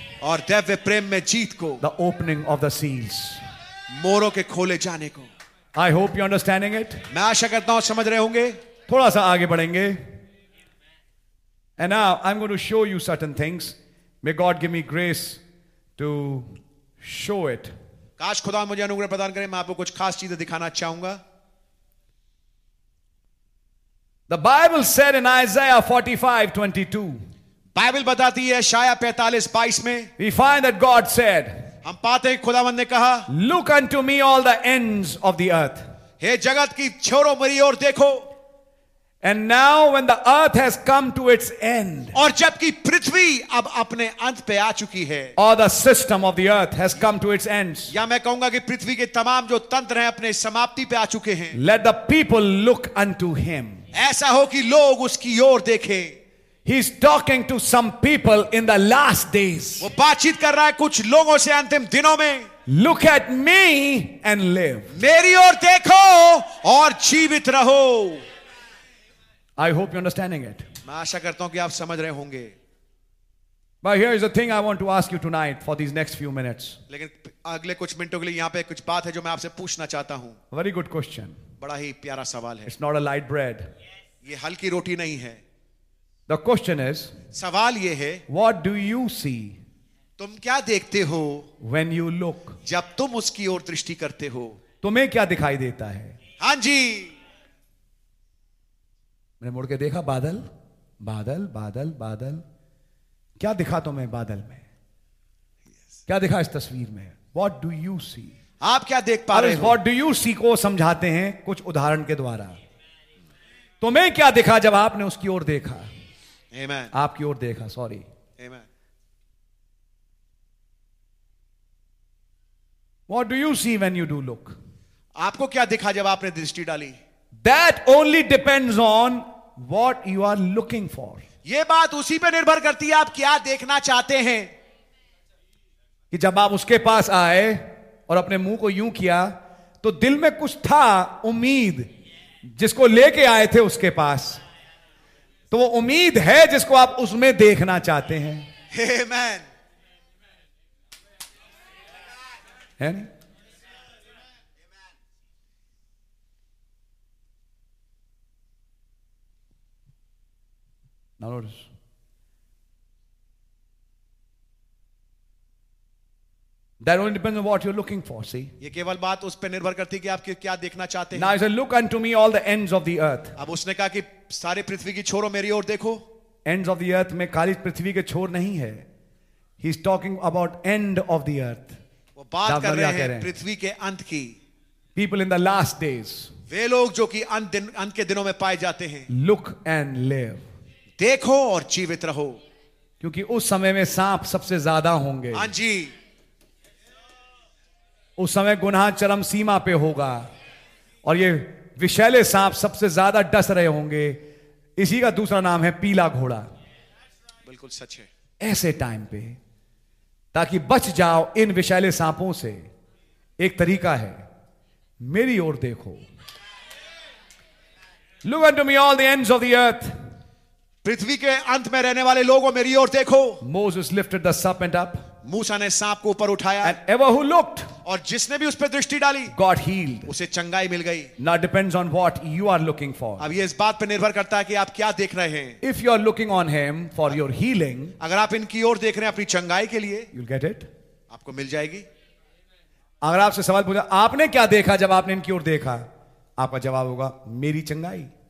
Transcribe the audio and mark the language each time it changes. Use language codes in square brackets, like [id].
[en] The opening of the seals. I hope you're understanding it. [hi] थोड़ा सा आगे बढ़ेंगे. [en] And now I'm going to show you certain things. May God give me grace to show it. [hi] काश खुदा मुझे अनुग्रह प्रदान करे मैं आपको कुछ खास चीजें दिखाना चाहूंगा. [en] The Bible said in Isaiah 45:22. [hi] Bible बताती है शाया 45:22 में. [en] We find that God said. [hi] हम पाते हैं खुदावंद ने कहा. [en] Look unto me all the ends of the earth. [hi] हे जगत की छोरो मरी और देखो. [en] And now when the earth has come to its end, [hi] और जबकि पृथ्वी अब अपने अंत पे आ चुकी है, [en] or the system of the earth has come to its ends, [hi] या मैं कहूंगा कि पृथ्वी के तमाम जो तंत्र हैं अपने समाप्ति पे आ चुके हैं, [en] let the people look unto him, [hi] ऐसा हो कि लोग उसकी ओर देखें. [en] He's talking to some people in the last days. [hi] वो बातचीत कर रहा है कुछ लोगों से अंतिम दिनों में. [en] Look at me and live. [hi] मेरी ओर देखो और जीवित रहो. [en] I hope you're understanding it. [hi] मैं आशा करता हूँ कि आप समझ रहे होंगे. [en] But here is the thing I want to ask you tonight for these next few minutes. [hi] लेकिन अगले कुछ मिनटों के लिए यहाँ पे कुछ बात है जो मैं आपसे पूछना चाहता हूँ. [en] Very good question. [hi] बड़ा ही प्यारा सवाल है. [en] It's not a light bread. [hi] ये हल्की रोटी नहीं है. [en] The question is. [hi] सवाल ये है. [en] What do you see? [hi] तुम क्या देखते हो? [en] When you look. [hi] जब तुम उसकी ओर दृष्टि करते हो. तुम्हें क्या दिखाई देता है? हाँ जी. मुड़ के देखा बादल बादल बादल बादल. क्या दिखा तुम्हें बादल में? yes. क्या दिखा इस तस्वीर में? [en] What do you see? [hi] आप क्या देख पा रहे हो? [en] what do you see [hi] को समझाते हैं कुछ उदाहरण के द्वारा. तुम्हें क्या दिखा जब आपने उसकी ओर देखा? [en] Amen. [hi] आपकी ओर देखा. Sorry. [en] Amen. What do you see when you do look? [hi] आपको क्या दिखा जब आपने दृष्टि डाली? [en] That only depends on what you are looking for. [hi] ये बात उसी पे निर्भर करती है आप क्या देखना चाहते हैं. कि जब आप उसके पास आए और अपने मुंह को यूं किया तो दिल में कुछ था उम्मीद जिसको लेके आए थे उसके पास. तो वो उम्मीद है जिसको आप उसमें देखना चाहते हैं. [en] Amen. [hi] है नहीं? [en] That only depends on what you're looking for. See. [hi] ये केवल बात उस पे निर्भर करती है कि आप क्या देखना चाहते [en] हैं. Now he said, "Look unto me, all the ends of the earth." [hi] अब उसने कहा कि सारे पृथ्वी की छोरों मेरी ओर देखो. [en] Ends of the earth [hi] में खाली पृथ्वी के छोर नहीं है. [en] He's talking about end of the earth. [hi] वो बात कर रहे हैं पृथ्वी के अंत की. [en] People in the last days. [hi] वे लोग जो कि अंत के दिनों में पाए जाते हैं. [en] Look and live. [hi] देखो और जीवित रहो. क्योंकि उस समय में सांप सबसे ज्यादा होंगे. हाँ जी. उस समय गुनाह चरम सीमा पे होगा और ये विषैले सांप सबसे ज्यादा डस रहे होंगे. इसी का दूसरा नाम है पीला घोड़ा. बिल्कुल सच है. ऐसे टाइम पे ताकि बच जाओ इन विषैले सांपों से एक तरीका है. मेरी ओर देखो. [en] Look unto me all the ends of the earth. [hi] पृथ्वी के अंत में रहने वाले लोगों मेरी ओर देखो. [en] Moses lifted the serpent up. [hi] मूसा ने सांप को ऊपर उठाया. [en] And ever who looked, [hi] और जिसने भी उस पर दृष्टि डाली, [en] got healed. [hi] उसे चंगाई मिल गई. [en] Now depends on what you are looking for. [hi] अब ये इस बात पर निर्भर करता है कि आप क्या देख रहे हैं. [en] If you are looking on him for your healing, [hi] अगर आप इनकी ओर देख रहे हैं अपनी चंगाई के लिए, [en] you'll get it. [hi] आपको मिल जाएगी. अगर आपसे सवाल पूछा आपने क्या देखा जब आपने इनकी ओर देखा, आपका जवाब होगा मेरी चंगाई.